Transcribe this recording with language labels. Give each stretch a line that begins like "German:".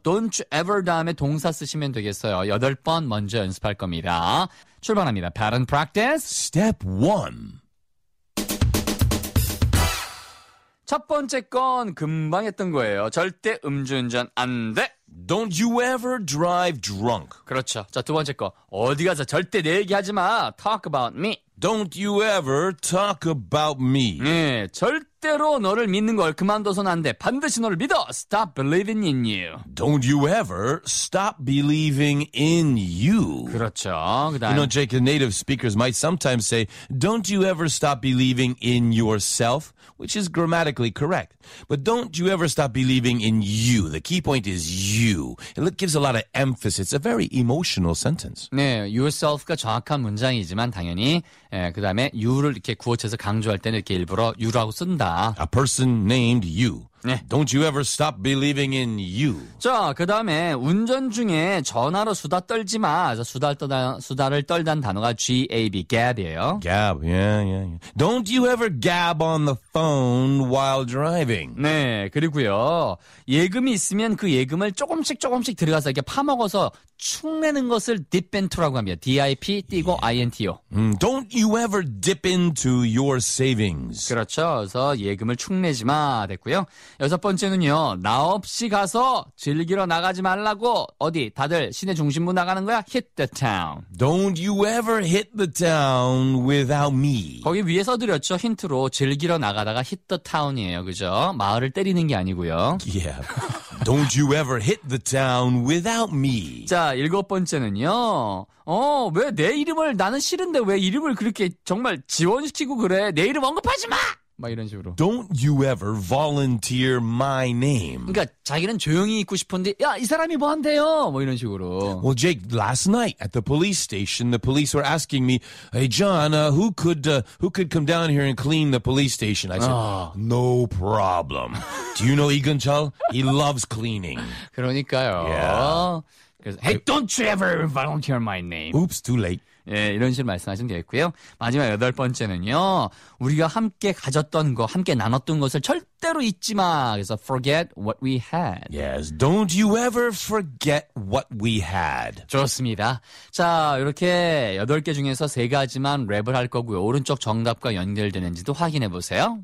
English: Don't you ever
Korean: 다음에 동사 쓰시면 되겠어요. 여덟 번 먼저 연습할 겁니다. 출발합니다.
English: Pattern practice. Step 1.
Korean: 첫 번째 건 금방 했던 거예요. 절대 음주운전 안 돼.
English: Don't you ever drive drunk.
Korean: 그렇죠. 자, 두 번째 거. 어디 가서 절대 내 얘기하지 마.
English: Talk about me. Don't you ever talk about me.
Korean: 네, 절대로 너를 믿는 걸 그만둬선 안 돼. 반드시 너를 믿어.
English: Stop believing in you. Don't you ever stop believing in you.
Korean: 그렇죠. 그다음.
English: You know, Jake, the native speakers might sometimes say, don't you ever stop believing in yourself, which is grammatically correct. But don't you ever stop believing in you. The key point is you. It gives a lot of emphasis. It's a very emotional sentence.
Korean: 네, yourself가 정확한 문장이지만 당연히 예, 그 다음에 you를 이렇게 구어체에서 강조할 때는 이렇게 일부러 you라고 쓴다.
English: A person named you. 네. Don't you ever stop believing in you.
Korean: 자, 그 다음에 운전 중에 전화로 수다 떨지 마. 수다를 떨단 단어가 GAB, gab이에요.
English: Gab, yeah, yeah, yeah. Don't you ever gab on the phone while driving.
Korean: 네, 그리고요. 예금이 있으면 그 예금을 조금씩 조금씩 들어가서 이렇게 파먹어서 축내는 것을 dip into라고 합니다.
English: D-I-P,
Korean: 띄고
English: yeah. I-N-T-O. Don't you ever dip into your savings.
Korean: 그렇죠. 그래서 예금을 축내지 마 됐고요. 여섯 번째는요. 나 없이 가서 즐기러 나가지 말라고. 어디? 다들 시내 중심부 나가는 거야?
English: Hit the town. Don't you ever hit the town without me.
Korean: 거기 위에서 드렸죠. 힌트로 즐기러 나가다가
English: hit the town
Korean: 이에요. 그죠? 마을을 때리는 게 아니고요.
English: Yeah. Don't you ever hit the town without me.
Korean: 자, 일곱 번째는요. 왜 내 이름을 나는 싫은데 왜 이름을 그렇게 정말 지원시키고 그래? 내 이름 언급하지 마! 막 이런 식으로.
English: Don't you ever volunteer my name.
Korean: 그러니까 자기는 조용히 있고 싶은데 야, 이 사람이 뭐 한대요? 뭐 이런 식으로.
English: Well, Jake, last night at the police station, the police were asking me, "Hey, John, who could come down here and clean the police station?" I said, "No problem." Do you know Egon Chal? He loves cleaning.
Korean: 그러니까요.
English: Yeah. Hey, don't you ever volunteer my name. Oops, too late.
Korean: 예, 이런 식으로 말씀하시면 되겠고요. 마지막 여덟 번째는요. 우리가 함께 가졌던 거, 함께 나눴던 것을 절대로 잊지 마. 그래서
English: forget what we had. Yes, don't you ever forget what we had.
Korean: 좋습니다. 자, 이렇게 여덟 개 중에서 세 가지만 랩을 할 거고요. 오른쪽 정답과 연결되는지도 확인해 보세요.